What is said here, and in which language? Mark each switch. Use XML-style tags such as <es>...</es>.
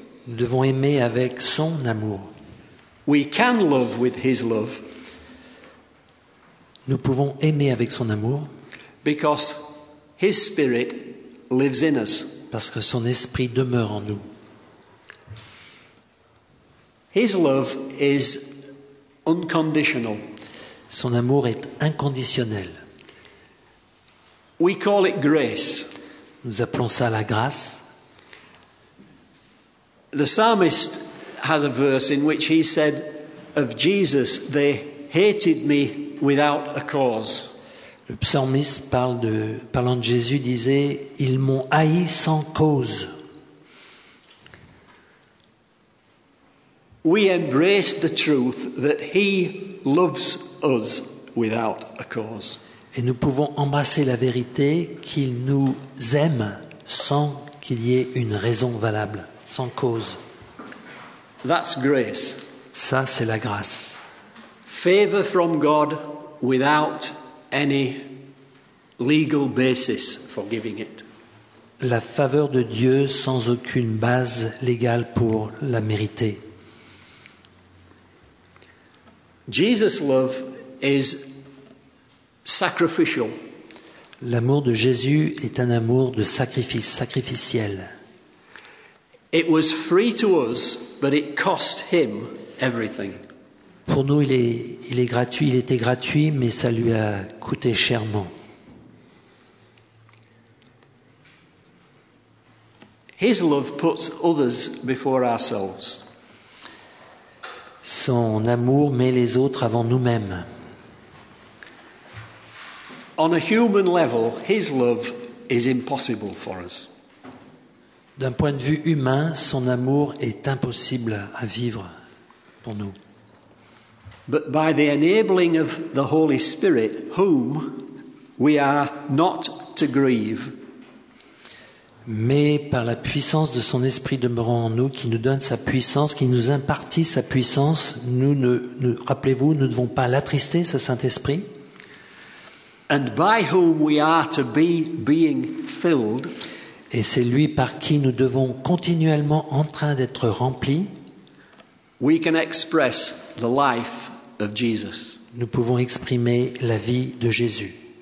<fr>Nous devons aimer avec son amour.</fr> <en>We can love with his love.</en> <fr>Nous pouvons aimer avec son amour.</fr> <en>Because his spirit lives in us.</en> <fr>Parce que son esprit demeure en nous.</fr> <en>His love is unconditional.</en> <fr>Son amour est inconditionnel.</fr> <en>We call it grace.</en> <fr>Nous appelons ça la grâce.</fr> <en>The psalmist has a verse in which he said of Jesus, they hated me without a cause.</en> <fr>Le psalmiste parlant de Jésus disait, ils m'ont haï sans cause.</fr> <en>We embrace the truth that he loves us without a cause.</en> <fr>Et nous pouvons embrasser la vérité qu'il nous aime sans qu'il y ait une raison valable, sans cause.</fr> <en>That's grace.</en> <fr>Ça, c'est la grâce.</fr> <en>Favor from God without any legal basis for giving it.</en> <fr>La faveur de Dieu sans aucune base légale pour la mériter.</fr> <en>Jesus' love is sacrificial.</en> <fr>L'amour de Jésus est un amour de sacrifice, sacrificiel.</fr> <en>It was free to us, but it cost him everything.</en> <fr>Pour nous, il est gratuit, il était gratuit, mais ça lui a coûté chèrement.</fr> <en>His love puts others before ourselves.</en> <fr>Son amour met les autres avant nous-mêmes.</fr> <en>On a human level, his love is impossible for us.</en> <fr>D'un point de vue humain, son amour est impossible à vivre pour nous.</fr> <en>But by the enabling of the Holy Spirit, whom we are not to grieve.</en> <fr>mais par la puissance de son esprit demeurant en nous, qui nous donne sa puissance, qui nous impartit sa puissance, nous, rappelez-vous, nous ne devons pas l'attrister, ce Saint-Esprit.</fr> <en>And by whom we are to be being filled.</en> <fr>Et c'est lui par qui nous devons continuellement en train d'être remplis.</fr> <en>We can express the life of Jesus.</en> <fr>Nous pouvons exprimer la vie de Jésus.</fr>